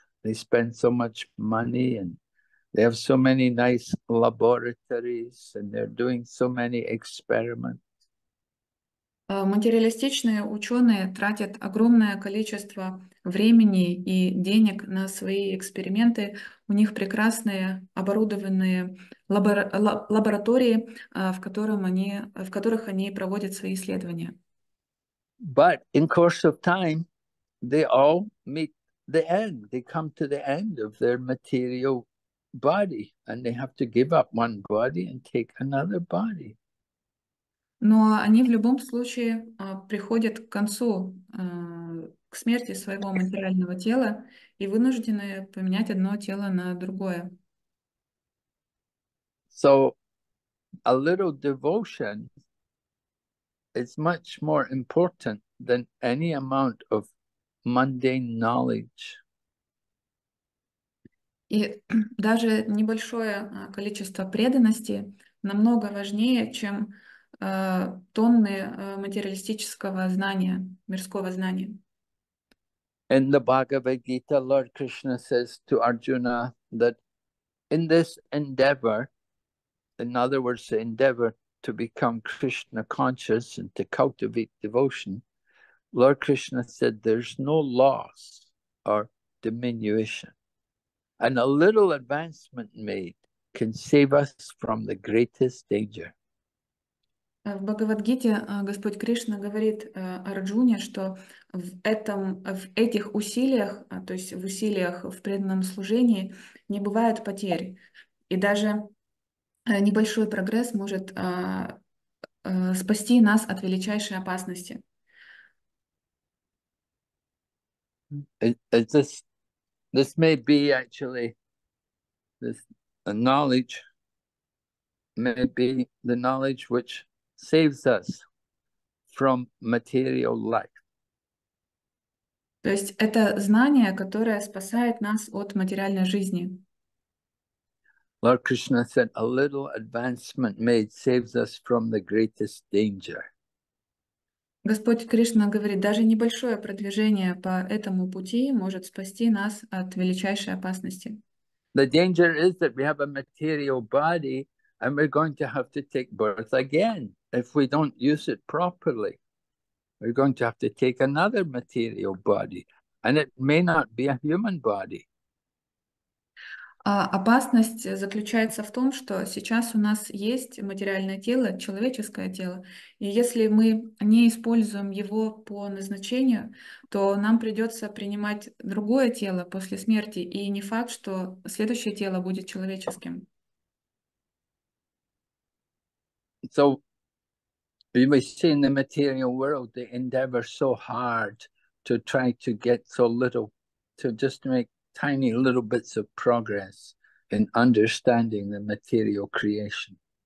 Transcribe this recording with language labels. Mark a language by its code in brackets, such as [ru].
[en] They spend so much money and they have so many nice laboratories and they're doing so many experiments. [ru] Материалистичные ученые тратят огромное количество времени и денег на свои эксперименты. У них прекрасные оборудованные лаборатории, в которых они проводят свои исследования. [en] But in course of time, they all meet the end. They come to the end of their material body and they have to give up one body and take another body. [ru] Но они в любом случае приходят к концу, к смерти своего материального тела и вынуждены поменять одно тело на другое. [en] So a little devotion is much more important than any amount of mundane knowledge. [ru] И даже небольшое количество преданности намного важнее, чем тонны материалистического знания, мирского знания. [en] In the Bhagavad Gita, Lord Krishna says to Arjuna that in this endeavor, in other words, the endeavor to become Krishna conscious and to cultivate devotion, Lord Krishna said there's no loss or diminution. And a little advancement made can save us from the greatest danger. [ru] В Бхагавадгите Господь Кришна говорит Арджуне, что в этих усилиях, то есть в усилиях в преданном служении, не бывает потерь. И даже небольшой прогресс может спасти нас от величайшей опасности. [en] This may be actually this knowledge, may be the knowledge which saves us from material life. [ru] То есть это знание, которое спасает нас от материальной жизни. [en] Lord Krishna said, a little advancement made saves us from the greatest danger. [ru] Господь Кришна говорит, даже небольшое продвижение по этому пути может спасти нас от величайшей опасности. [en] The danger is that we have a material body and we're going to have to take birth again. If we don't use it properly, we're going to have to take another material body, and it may not be a human body. [ru] Опасность заключается в том, что сейчас у нас есть материальное тело, человеческое тело, и если мы не используем его по назначению, то нам придется принимать другое тело после смерти, и не факт, что следующее тело будет человеческим. [en] So you may see in the material world they endeavor so hard to try to get so little, to just make tiny little bits of progress in understanding the material creation.